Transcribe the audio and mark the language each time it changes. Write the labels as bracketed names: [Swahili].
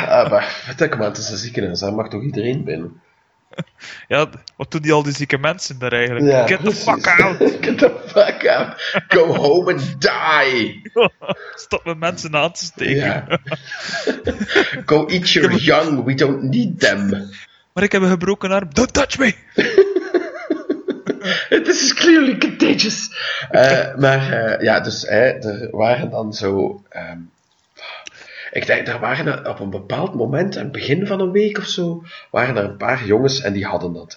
[Dutch] maar kijk maar, het is een ziekenhuis, daar mag toch iedereen binnen? Ja, wat doen die al die zieke mensen daar eigenlijk? [English] Ja, get precies. The fuck out! Get the fuck out! Go home and die! [Dutch] Stop met mensen aan te steken. Ja. [English] Go eat your young, we don't need them. [Dutch] Maar ik heb een gebroken arm, [English] don't touch me! This is clearly contagious! [Dutch] Er waren dan zo... Ik denk, er waren er op een bepaald moment, aan het begin van een week of zo, waren er een paar jongens en die hadden dat.